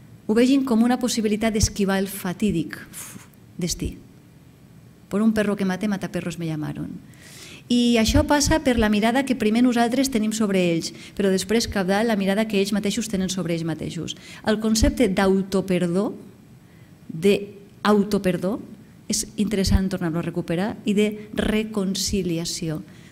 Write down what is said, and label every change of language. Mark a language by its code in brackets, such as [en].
[ca] ho vegin com una possibilitat d'esquivar el fatídic destí. [es] Por un perro que maté, mataperros me llamaron. [ca] I això passa per la mirada que primer nosaltres tenim sobre ells, però després cabdal la mirada que ells mateixos tenen sobre ells mateixos. El concepte d'autoperdó, d'autoperdó, és interessant tornar-lo a recuperar, i de reconciliació.